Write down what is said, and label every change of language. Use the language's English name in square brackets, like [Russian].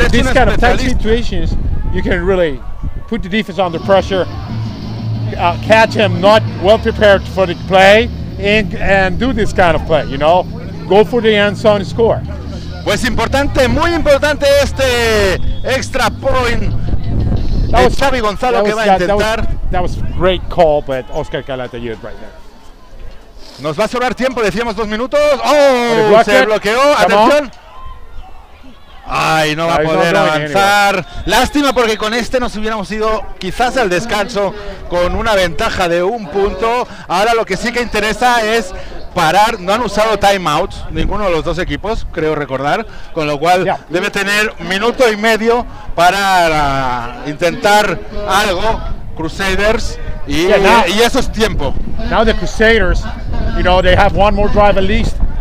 [English] in these kind of tight situations, you can really put the defense under pressure, catch him not well prepared for the play, and do this kind of play. You know, go for the end zone and score. [Spanish] Pues importante, muy importante este extra point. [English] That was [Spanish] Xavi Gonzalo que va a intentar. [English] That was great call, but Oscar Calata used right there. [Spanish] Nos va a sobrar tiempo, decíamos 2 minutos. Oh, se bloqueó. Atención. Ay, no va a poder avanzar. Anywhere. Lástima, porque con este nos hubiéramos ido quizás al descanso con una ventaja de un punto. Ahora lo que sí que interesa es parar. No han usado timeout ninguno de los dos equipos, creo recordar, con lo cual debe tener minuto y medio para intentar algo Crusaders, y eso es tiempo. [English] Now the Crusaders, you know, they have one more drive at least.